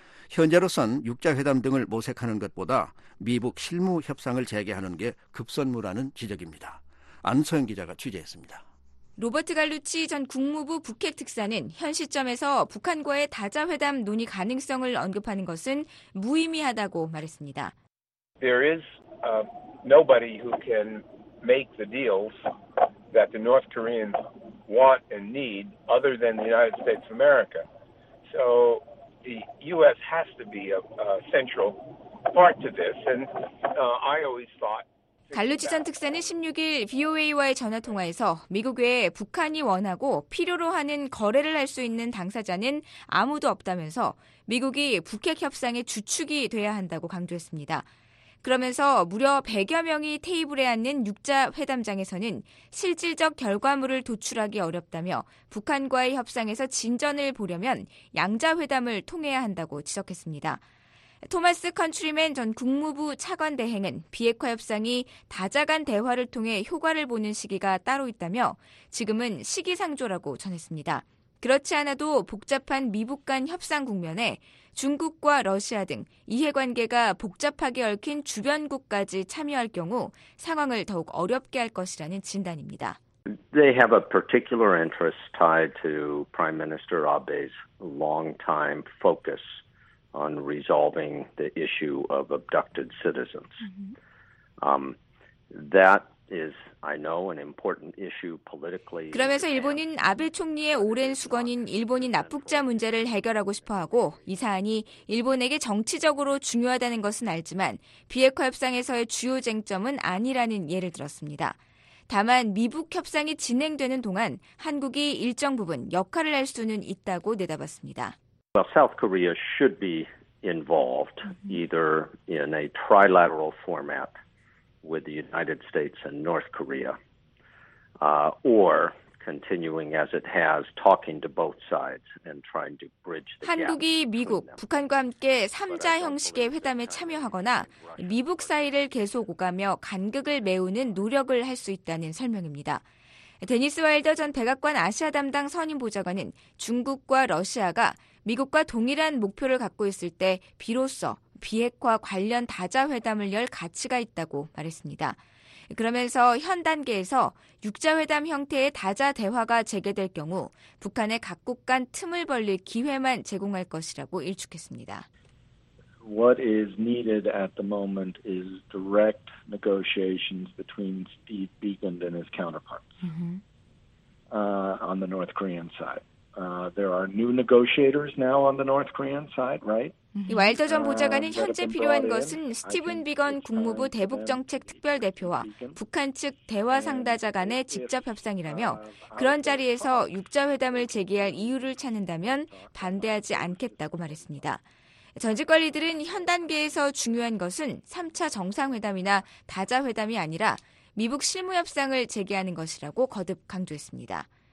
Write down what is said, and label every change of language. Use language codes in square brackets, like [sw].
[ko] 현재로선 육자회담 등을 모색하는 것보다 미북 실무 협상을 재개하는 게 급선무라는 지적입니다. 안소영 기자가 취재했습니다. 로버트 갈루치 전 국무부 북핵 특사는 현 시점에서 북한과의 다자회담 논의 가능성을 언급하는 것은 무의미하다고 말했습니다. [en] There is nobody who can make the deals that the North Koreans want and need other than the United States of America. So the U.S. has to be a central part to this. And I always thought. [ko] 갈루치 전 특사는 16일 VOA와의 전화통화에서 미국 외에 북한이 원하고 필요로 하는 거래를 할 수 있는 당사자는 아무도 없다면서 미국이 북핵 협상의 주축이 돼야 한다고 강조했습니다. 그러면서 무려 100여 명이 테이블에 앉는 6자 회담장에서는 실질적 결과물을 도출하기 어렵다며 북한과의 협상에서 진전을 보려면 양자 회담을 통해야 한다고 지적했습니다. 토마스 컨트리맨 전 국무부 차관 대행은 비핵화 협상이 다자 간 대화를 통해 효과를 보는 시기가 따로 있다며 지금은 시기상조라고 전했습니다. 그렇지 않아도 복잡한 미북 간 협상 국면에 중국과 러시아 등 이해관계가 복잡하게 얽힌 주변국까지 참여할 경우 상황을 더욱 어렵게 할 것이라는 진단입니다. [en] They have a particular interest tied to Prime Minister Abe's long-time focus on resolving the issue of abducted citizens. That is, I know, an important issue politically. [ko] 그러면서 일본은 아베 총리의 오랜 숙언인 일본인 납북자 문제를 해결하고 싶어하고 이 사안이 일본에게 정치적으로 중요하다는 것은 알지만 비핵화 협상에서의 주요 쟁점은 아니라는 예를 들었습니다. 다만 미북 협상이 진행되는 동안 한국이 일정 부분 역할을 할 수는 있다고 내다봤습니다. [en] Well, South Korea should be involved either in a trilateral format with the United States and North Korea, or continuing as it has, talking to both sides and trying to bridge the gap. [ko] 한국이 미국, 북한과 함께 3자 형식의 회담에 참여하거나 미북 사이를 계속 오가며 간극을 메우는 노력을 할 수 있다는 설명입니다. 데니스 와일더 전 백악관 아시아 담당 선임 보좌관은 중국과 러시아가 미국과 동일한 목표를 갖고 있을 때 비로소 비핵화 관련 다자 회담을 열 가치가 있다고 말했습니다. 그러면서 현 단계에서 6자회담 형태의 다자 대화가 재개될 경우 북한의 각국 간 틈을 벌릴 기회만 제공할 것이라고 일축했습니다. [en] What is needed at the moment is direct negotiations between Steve Biegun and his counterparts on the North Korean side. There are new negotiators now on the North Korean side, right? [ko] 이 와일더 전 보좌관은 현재 필요한 것은 스티븐 비건 국무부 대북정책특별대표와 북한 측 대화 상다자 간의 직접 협상이라며 그런 자리에서 6자회담을 재개할 이유를 찾는다면 반대하지 않겠다고 말했습니다. 전직 관리들은 현 단계에서 중요한 것은 3차 정상회담이나 다자회담이 아니라 미북 실무협상을 재개하는 것이라고 거듭 강조했습니다.